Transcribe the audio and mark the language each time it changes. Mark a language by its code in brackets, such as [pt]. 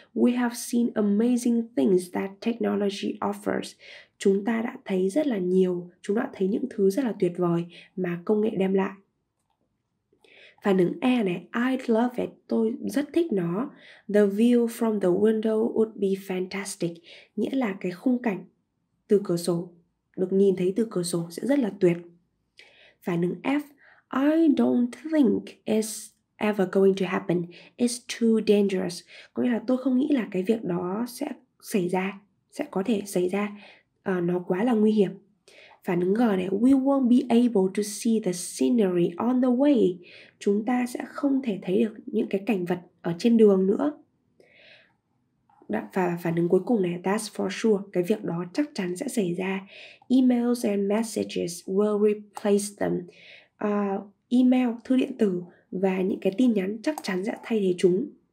[en] We have seen amazing things that technology offers. [vi] Chúng ta đã thấy rất là nhiều, chúng ta đã thấy những thứ rất là tuyệt vời mà công nghệ đem lại. Phản ứng E này, [en] I love it, [vi] tôi rất thích nó. [en] The view from the window would be fantastic, [vi] nghĩa là cái khung cảnh từ cửa sổ, được nhìn thấy từ cửa sổ sẽ rất là tuyệt. Phản ứng F, [en] I don't think it's ever going to happen, it's too dangerous, [vi] có nghĩa là tôi không nghĩ là cái việc đó sẽ xảy ra, sẽ có thể xảy ra, nó quá là nguy hiểm. Phản ứng G này, [en] we won't be able to see the scenery on the way. [vi] Chúng ta sẽ không thể thấy được những cái cảnh vật ở trên đường nữa. Và phản ứng cuối cùng này, [en] that's for sure. [vi] Cái việc đó chắc chắn sẽ xảy ra. [en] Emails and messages will replace them. [vi] Email, thư điện tử và những cái tin nhắn chắc chắn sẽ thay thế chúng.